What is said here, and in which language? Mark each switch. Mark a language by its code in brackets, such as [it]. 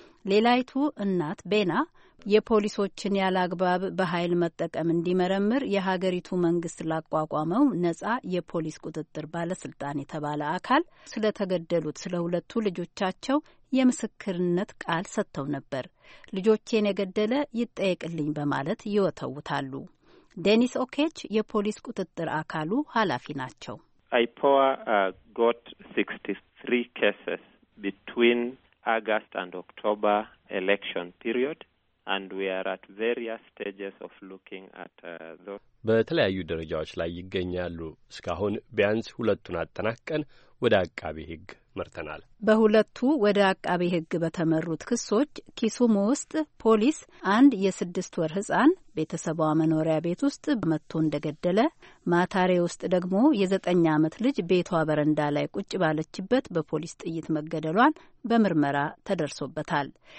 [am] ሌላይቱ እናት ቤና የፖሊሶችን ያላግባብ በኃይል መጠቀም እንዲመረምር የሀገሪቱ መንግስት ላቋቋመው ነጻ የፖሊስ ቁጥጥር ባለስልጣን የተባለ አካል ስለተገደሉት ስለ ሁለቱ ልጆቻቸው የምስክርነት ቃል ሰጥተው ነበር። ልጆቼን የገደለ ይጠየቅልኝ በማለት ይወተውታሉ። ዴኒስ ኦኬች የፖሊስ ቁጥጥር አካሉ ኃላፊ ናቸው። [en] አይፖዋ ጎት 63 cases between August and October election period. And we are at various stages of looking at those. [am] በተለያዩ ደረጃዎች ላይ ይገኛሉ። እስካሁን ቢያንስ ሁለቱን አጠናቀን ወደ አቃቤ ሕግ መርተናል። በሁለቱ ወደ አቃቢ ህግ በተመሩት ክሶች ኪሱሙ ውስጥ ፖሊስ አንድ የስድስት ወር ህፃን ቤተሰቧ መኖሪያ ቤት ውስጥ መጥቶ እንደገደለ፣ ማታሬ ውስጥ ደግሞ የዘጠኝ ዓመት ልጅ ቤቷ በረንዳ ላይ ቁጭ ባለችበት በፖሊስ ጥይት መገደሏን በምርመራ ተደርሶበታል።